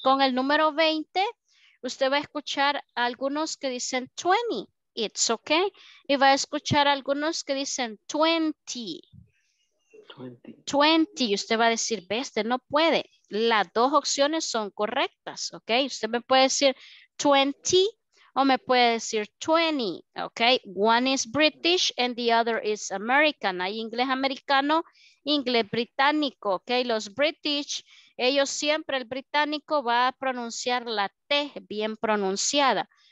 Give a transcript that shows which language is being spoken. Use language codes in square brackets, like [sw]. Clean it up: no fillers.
[es] Con el número 20, usted va a escuchar algunos que dicen 20. [en] It's okay. [es] Y va a escuchar algunos que dicen 20. 20. Y usted va a decir, ve, este no puede. Las dos opciones son correctas, ¿ok? Usted me puede decir 20 o me puede decir 20, ¿ok? [en] One is British and the other is American. [es] Hay inglés americano, inglés británico, ¿ok? Los British, ellos siempre, el británico va a pronunciar la T bien pronunciada.